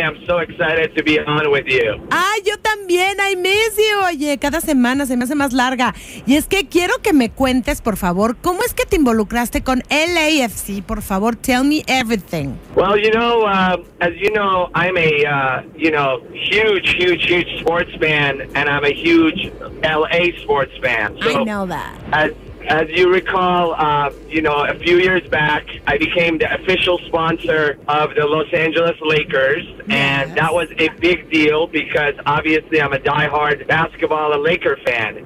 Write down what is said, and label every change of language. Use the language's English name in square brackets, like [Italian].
[English] I'm so excited to be on with you. [Spanish] Ah, yo también. [English] I miss you. [Spanish] Oye, cada semana se me hace más larga. Y es que quiero que me cuentes, por favor, ¿cómo es que te involucraste con LAFC? Por favor, [English] tell me everything. Well, you know, as you know, I'm a, you know, huge sports fan, and I'm a huge LA sports fan. So I know that. As you recall, you know, a few years back, I became the official sponsor of the Los Angeles Lakers, and that was a big deal because obviously I'm a diehard basketball and Laker fan.